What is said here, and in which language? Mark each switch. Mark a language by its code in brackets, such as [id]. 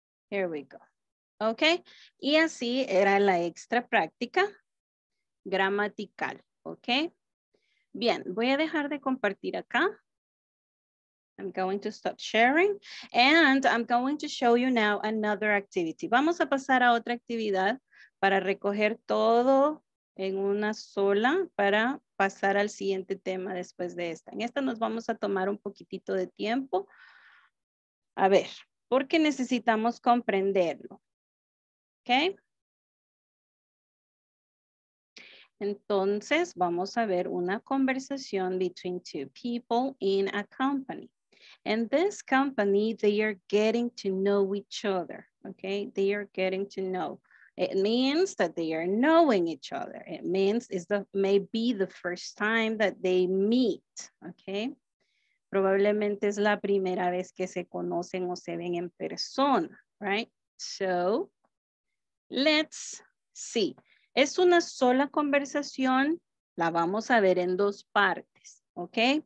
[en] Here we go. [es] Okay. Y así era la extra práctica gramatical. Okay. Bien, voy a dejar de compartir acá. [en] I'm going to stop sharing. And I'm going to show you now another activity. [es] Vamos a pasar a otra actividad para recoger todo en una sola para pasar al siguiente tema después de esta. En esta nos vamos a tomar un poquitito de tiempo. A ver, porque necesitamos comprenderlo. ¿Ok? Entonces, vamos a ver una conversación [en] between two people in a company. In this company, they are getting to know each other. Okay, they are getting to know. It means that they are knowing each other. It means it's the maybe the first time that they meet. [es] Okay, probablemente es la primera vez que se conocen o se ven en persona, right? [en] So, let's see. [es] Es una sola conversación, la vamos a ver en dos partes, ¿ok?